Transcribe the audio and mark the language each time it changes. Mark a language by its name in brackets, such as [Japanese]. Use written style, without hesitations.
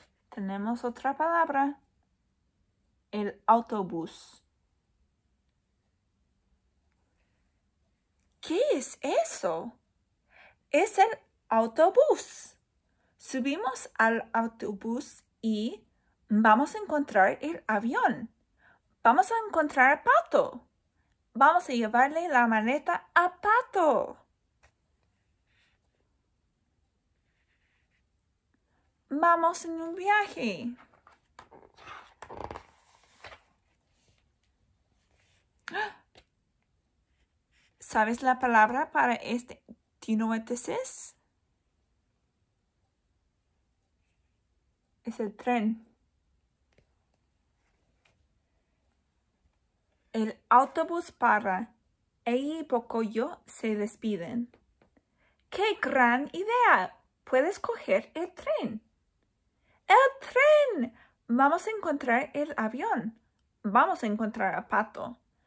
[Spanish] Tenemos otra palabra. El autobús. ¿Qué es eso? Es el autobús. Subimos al autobús y vamos a encontrar el avión. Vamos a encontrar a Pato. Vamos a llevarle la maleta a Pato. Vamos en un viaje. ¿Sabes la palabra para este? [English] ¿Do you know what this is? [Spanish] Es el tren. El autobús para. Ella y Pocoyo se despiden. ¡Qué gran idea! Puedes coger el tren. ¡El tren! Vamos a encontrar el avión. Vamos a encontrar a Pato.